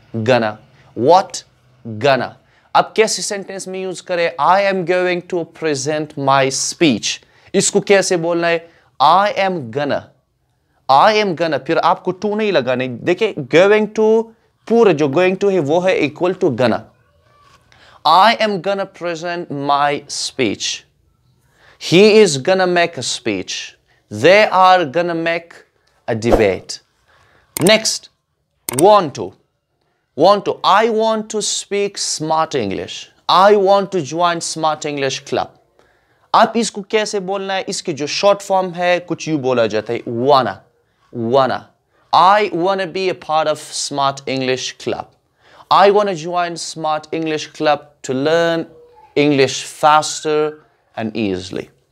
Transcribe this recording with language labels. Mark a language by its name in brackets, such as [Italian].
[English] Gonna, what gonna. [Hindi] अब कैसे सेंटेंस में यूज करें, [English] I am going to present my speech, [Hindi] इसको कैसे बोलना है, [English] I am gonna, I am gonna. [Hindi] फिर आपको टू नहीं लगाने, देखिए गोइंग टू पूरा जो गोइंग टू है वो है इक्वल टू गना. [English] I am gonna present my speech. He is gonna make a speech. They are gonna make a debate. Next, want to. Want to. I want to speak smart English. I want to join smart English club. [Hindi] आप इसको कैसे बोलना है, इसकी जो short form है कुछ you बोला जाता है, wanna. [English] Wanna. I wanna be a part of smart English club. I want to join Smart English Club to learn English faster and easily.